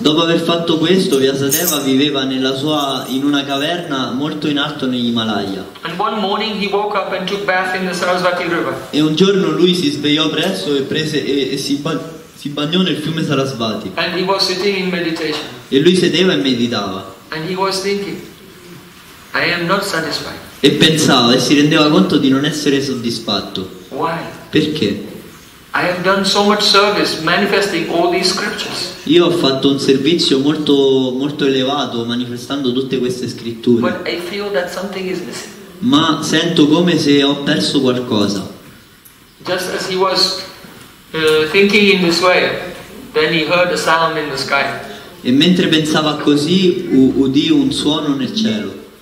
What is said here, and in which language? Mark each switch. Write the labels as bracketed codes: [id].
[it] Dopo aver fatto questo, Vyasadeva viveva in una caverna molto in alto negli Himalaya. [en] And one morning he woke up and took bath in the Sarasvati River. [it] E un giorno lui si svegliò presto e si bagnò nel fiume Sarasvati. [en] And he was sitting in meditation. [it] E lui sedeva e meditava. [en] And he was thinking, I am not satisfied. [it] E pensava e si rendeva conto di non essere soddisfatto. [en] Why? [it] Perché? [en] I have done so much service manifesting all these scriptures. [it] Io ho fatto un servizio molto molto elevato manifestando tutte queste scritture. [en] But I feel that something is missing. [it] Ma sento come se ho perso qualcosa. [en] Just as he was thinking in this way, then he heard a sound in the sky. [it] E mentre pensava così, udì un suono nel cielo.